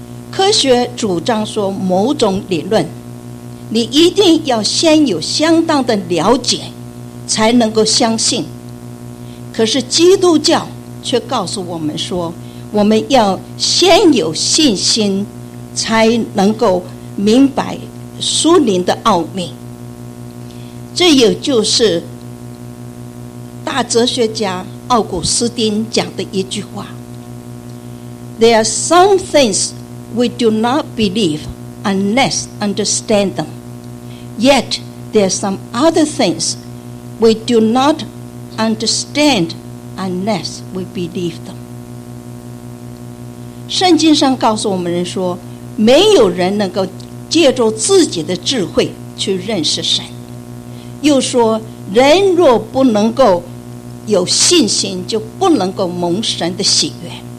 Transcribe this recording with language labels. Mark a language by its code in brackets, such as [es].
[zh] 科学主张说某种理论你一定要先有相当的了解才能够相信，可是基督教却告诉我们说我们要先有信心才能够明白属灵的奥秘。这也就是大哲学家奥古斯丁讲的一句话， [en] There are some things we do not believe unless understand them, yet there are some other things we do not understand unless we believe them. [zh] 圣经上告诉我们人说，没有人能够借助自己的智慧去认识神，又说人若不能够有信心就不能够蒙神的喜悦。